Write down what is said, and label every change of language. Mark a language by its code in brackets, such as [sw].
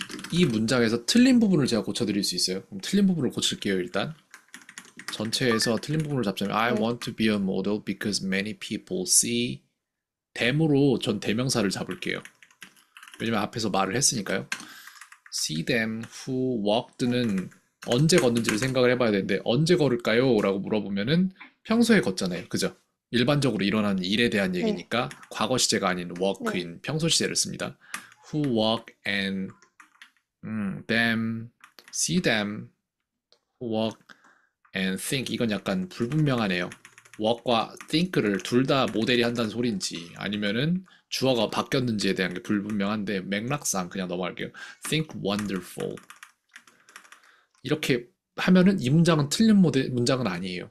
[ko] 이 문장에서 틀린 부분을 제가 고쳐드릴 수 있어요. 그럼 틀린 부분을 고칠게요, 일단. 전체에서 틀린 부분을 잡자면, I 네. [en] want to be a model because many people see. [ko] 댐으로 전 대명사를 잡을게요. 왜냐면 앞에서 말을 했으니까요. [en] See them who walked [ko] 는 언제 걷는지를 생각을 해봐야 되는데, 언제 걸을까요? 라고 물어보면은 평소에 걷잖아요. 그죠? 일반적으로 일어나는 일에 대한 네. 얘기니까 과거 시제가 아닌 네. walk인 평소 시제를 씁니다. [en] Who walk and them, see them, walk and think. [ko] 이건 약간 불분명하네요. walk과 think를 둘다 모델이 한다는 소리인지 아니면은 주어가 바뀌었는지에 대한 게 불분명한데 맥락상 그냥 넘어갈게요. [en] Think wonderful. [ko] 이렇게 하면은 이 문장은 틀린 문장은 아니에요.